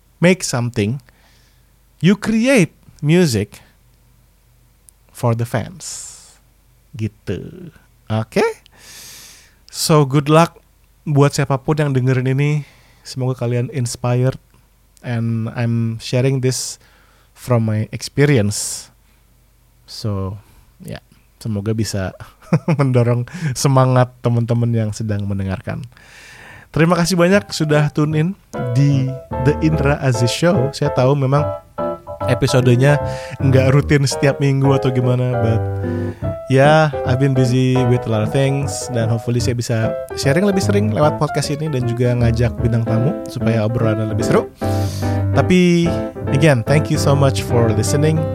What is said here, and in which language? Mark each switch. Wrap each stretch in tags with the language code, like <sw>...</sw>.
<en>make something, you create music for the fans.</en> <id>Gitu. Oke?</id> <en>So, good luck</en> <id>buat siapapun yang dengerin ini. Semoga kalian inspired.</id> <en>And I'm sharing this from my experience. So, yeah.</en> <id>Semoga bisa mendorong semangat teman-teman yang sedang mendengarkan. Terima kasih banyak sudah tune in di The Indra Aziz Show. Saya tahu memang episodenya nggak rutin setiap minggu atau gimana,</id> <en>but yeah, I've been busy with a lot of things,</en> <id>dan</id> <en>hopefully</en> <id>saya bisa sharing lebih sering lewat podcast ini dan juga ngajak bintang tamu supaya obrolannya lebih seru. Tapi</id> <en>again, thank you so much for listening.</en>